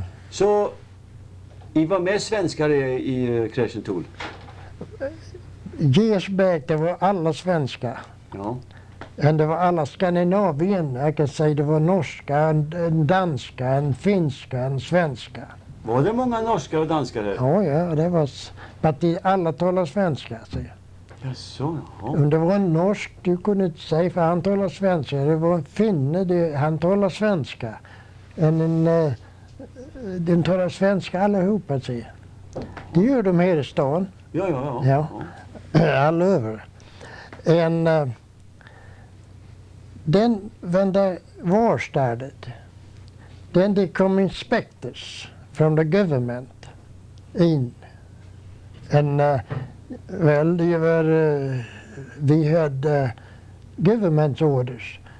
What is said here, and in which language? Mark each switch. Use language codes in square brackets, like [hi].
[en] So, he was more [sv] svenskare [en] in Kristian Tool? Years back, they were all [sv] svenska. Ja. [en] And they were all Scandinavian. I can say they were [sv] norska, [en] and [sv] danska, [en] and [sv] finska, [en] and [sv] svenska. Var det många norska och danska här? Oh, ja, det var. Men de alla talade svenska. Jaså, ja. Om det var en norsk, du kunde inte säga, för han talade svenska. Det var en finne, han talade svenska. De talade svenska allihopa, säger. Det gör de här i stan. Ja, ja, ja. [en] Ja. All over. And then when the war started, then they come inspectors from the government in. And we had government orders.